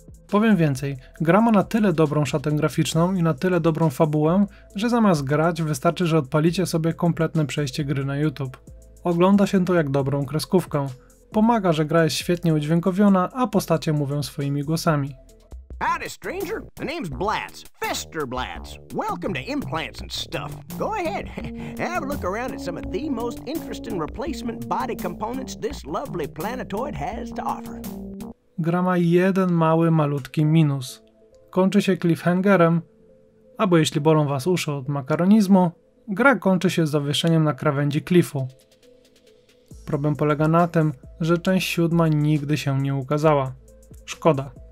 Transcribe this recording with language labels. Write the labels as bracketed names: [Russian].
[Polish] Powiem więcej, gra ma na tyle dobrą szatę graficzną i na tyle dobrą fabułę, że zamiast grać wystarczy, że odpalicie sobie kompletne przejście gry na YouTube. Ogląda się to jak dobrą kreskówkę. Pomaga, że gra jest świetnie udźwiękowiona, a postacie mówią swoimi głosami. [English] Howdy, stranger. The name's Blatz. Fester Blatz. Welcome to Implants and Stuff. Go ahead. Have a look around at some of the most interesting replacement body components this lovely planetoid has to offer. [Polish] Gra ma jeden mały, malutki minus. Kończy się cliffhangerem, albo jeśli bolą was uszy od makaronizmu, gra kończy się zawieszeniem na krawędzi klifu. Problem polega na tym, że część siódma nigdy się nie ukazała. Szkoda.